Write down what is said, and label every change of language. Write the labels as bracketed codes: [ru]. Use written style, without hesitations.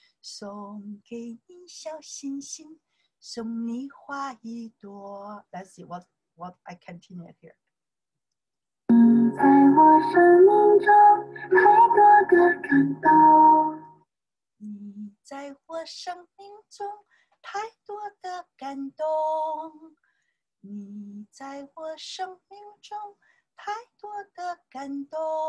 [zh] 送给你小星星送你花一朵。 [en] Let's see what I continue here. [zh] 在我生命中太多个感动，你在我生命中太多的感动，你在我生命中太多的感动。